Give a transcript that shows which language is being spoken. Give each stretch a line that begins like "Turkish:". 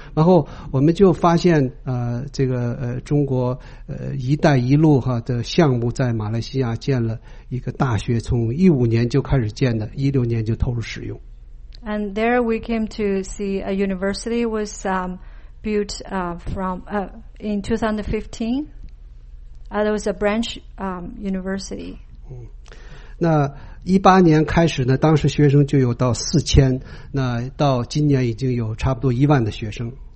Chinese: 然后我们就发现这个中国一带一路哈的项目在马来西亚建了一个大学，从2015年就开始建的，2016年就投入使用。
English: And there we came to see a university was built in 2015. That was a branch university.
Chinese: 那2018年开始呢，当时学生就有到4000，那到今年已经有差不多10000的学生。